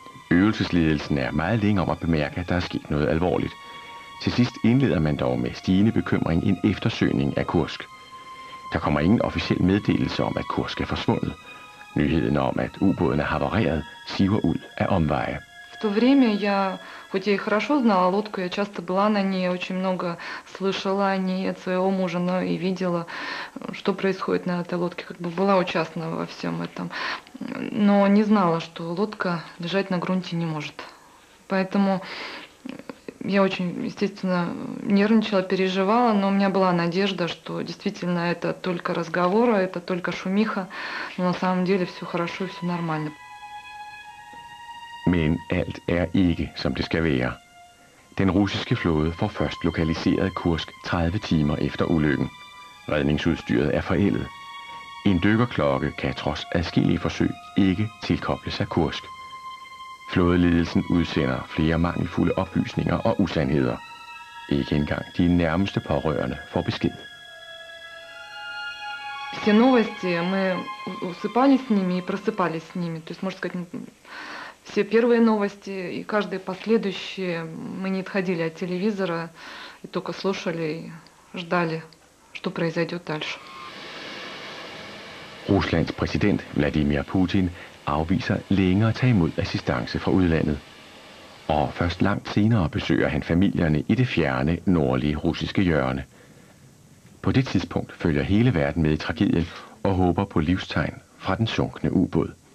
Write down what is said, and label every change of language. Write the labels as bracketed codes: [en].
[da] Øvelsesledelsen er meget længe om at bemærke, at der er sket noget alvorligt. Til sidst indleder man dog med stigende bekymring en eftersøgning af Kursk. Der kommer ingen officiel meddelelse om, at Kursk er forsvundet. Nyheden om, at ubåden er havareret, siver ud af omveje. [ru] В то время я, хоть я и хорошо знала лодку, я часто была на ней, очень много слышала о ней от своего мужа, но и видела, что происходит на этой лодке, как бы была участна во всем этом. Но не знала, что лодка лежать на грунте не может. Поэтому я очень, естественно, нервничала, переживала, но у меня была надежда, что действительно это только разговор, это только шумиха, но на самом деле все хорошо и все нормально. [da] Men alt er ikke, som det skal være. Den russiske flåde får først lokaliseret Kursk 30 timer efter ulykken. Redningsudstyret er forældet. En dykkerklokke kan trods adskillige forsøg ikke tilkobles af Kursk. Flådeledelsen udsender flere mangelfulde oplysninger og usandheder. Ikke engang de nærmeste pårørende får besked. [ru] все новости, мы усыпались с ними и просыпались с ними. То есть, можно сказать, все первые новости и каждые последующие. Мы не отходили от телевизора и только слушали и ждали, что произойдет дальше. [da] Ruslands præsident Vladimir Putin afviser længe at tage imod assistance fra udlandet. Og først langt senere besøger han familierne i det fjerne nordlige russiske hjørne. På det tidspunkt følger hele verden med i tragedien og håber på livstegn fra den sunkne ubåd.